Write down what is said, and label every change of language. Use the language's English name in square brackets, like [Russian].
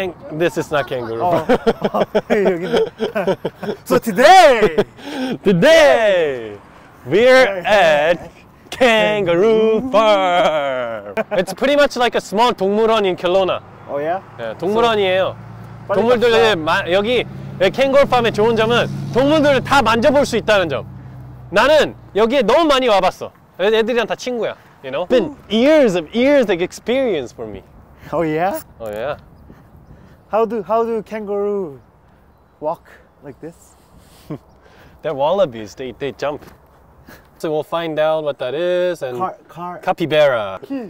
[English] This is not kangaroo. So today, we're at kangaroo farm. It's pretty much like a small 동물원 in Kelowna. Oh yeah. [Korean] Yeah, 동물원이에요. 동물들 여기 캥거루 팜의 좋은 점은 동물들을 다 만져볼 수 있다는 점. 나는 여기에 너무 많이 와봤어. 애들이랑 다 친구야. [English] You know, been years of experience for me. Oh yeah. Oh yeah. How do kangaroo walk like this? They're wallabies. They jump. So we'll find out what that is and capybara.